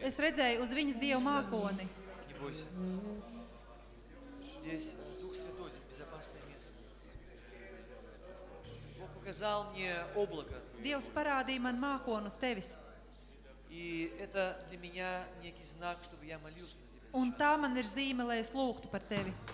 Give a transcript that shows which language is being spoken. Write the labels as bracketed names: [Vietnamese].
[Latvian] Es redzēju uz viņas Dieva mākoni. [Russian] Не бойся. Здесь Дух Святой, здесь безопасное место. Бог показал мне облако. [Latvian] Dievs parādīja man mākonu uz tevis. [Russian] И это для меня некий знак, чтобы я молился за тебя. [Latvian] Un tā man ir zīme, lai es lūgtu par tevi.